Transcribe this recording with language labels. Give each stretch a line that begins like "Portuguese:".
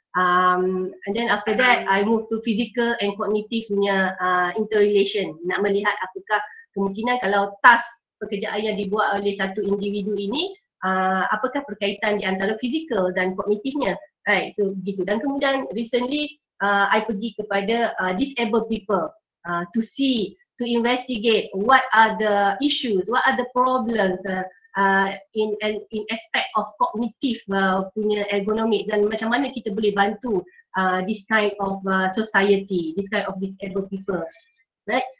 English: And then after that, I move to physical and cognitive punya interrelation.
Malay: Nak melihat apakah kemungkinan kalau task pekerjaan yang dibuat oleh satu individu ini, apakah perkaitan di antara physical dan kognitifnya.
English: Right, so begitu. Dan kemudian recently, I pergi kepada disabled people to see, to investigate what are the issues, what are the problems in aspect of cognitive
Malay: punya ergonomik dan macam mana kita boleh bantu
English: this kind of society, this kind of disabled people, right?